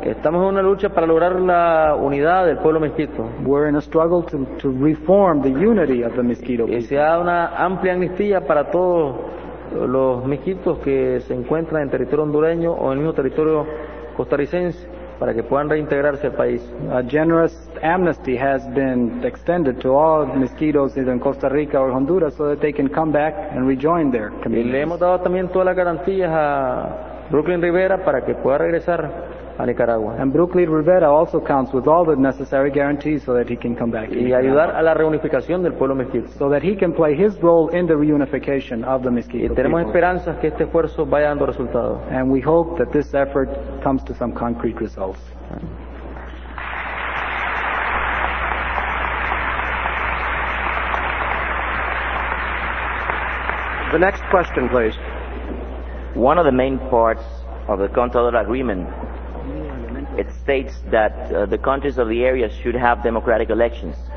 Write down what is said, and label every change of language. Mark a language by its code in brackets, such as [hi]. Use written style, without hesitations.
[es] Estamos en una lucha para lograr la unidad del pueblo mestizo. [en] We're in a struggle to reform the unity of the mestizo people. [es] Y se da una amplia amnistía para todos los mestizos que se encuentran en territorio hondureño o en el mismo territorio costarricense para que puedan reintegrarse al país. [en] A generous amnesty has been extended to all mestizos either in Costa Rica or Honduras so that they can come back and rejoin their communities. [es] Y le hemos dado también todas las garantías a Brooklyn Rivera para que pueda regresar a Nicaragua. [en] And Brooklyn Rivera also counts with all the necessary guarantees so that he can come back. [es] Y ayudar a la reunificación del pueblo mestizo. [en] So that he can play his role in the reunification of the Miskito people. [es] Y tenemos esperanzas que este esfuerzo vaya dando resultados. [en] And we hope that this effort comes to some concrete results. The next question, please. One of the main parts of the Contador Agreement, it states that the countries of the area should have democratic elections.